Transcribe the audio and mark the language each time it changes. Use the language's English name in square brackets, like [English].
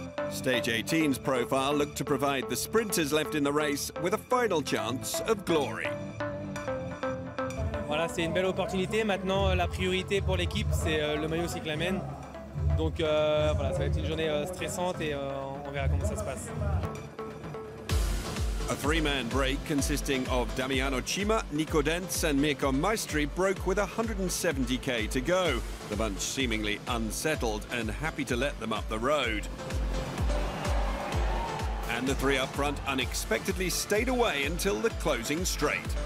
[English] Stage 18's profile looked to provide the sprinters left in the race with a final chance of glory. [French] Voilà, c'est une belle opportunité. Maintenant, la priorité pour l'équipe, c'est le maillot cyclamen. Donc, voilà, ça va être une journée stressante et on verra comment ça se passe. [English] A three-man break consisting of Damiano Cima, Nico Dentz and Mirko Maestri broke with 170k to go. The bunch seemingly unsettled and happy to let them up the road. And the three up front unexpectedly stayed away until the closing straight.